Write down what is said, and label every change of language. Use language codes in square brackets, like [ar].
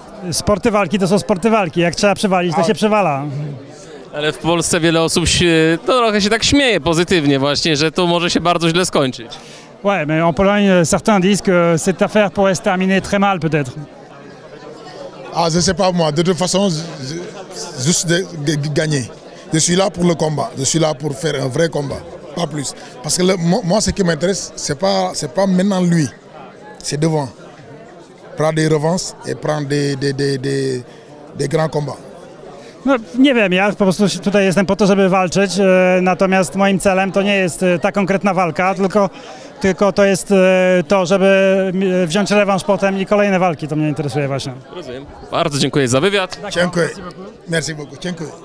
[pl] Sporty walki to są sporty walki. Jak trzeba przewalić, to się przewala. Ale w Polsce wiele osób trochę się tak śmieje pozytywnie właśnie, że to może się bardzo źle skończyć. [fr] Ouais, mais en Pologne, certains disent que cette affaire pourrait se terminer très mal, peut-être. Ah, je sais pas moi. De toute façon, juste de gagner. Je suis là pour le combat. Je suis là pour faire un vrai combat, pas plus. Parce que moi, ce qui m'intéresse, c'est pas maintenant lui. C'est devant. Prendre des revanches et prendre des grands combats. [pl] No, nie wiem, ja po prostu tutaj jestem po to, żeby walczyć, natomiast moim celem to nie jest ta konkretna walka, tylko to jest to, żeby wziąć rewanż potem i kolejne walki, to mnie interesuje właśnie. Rozumiem. Bardzo dziękuję za wywiad. Dziękuję. [fr] Merci beaucoup. [pl] Dziękuję.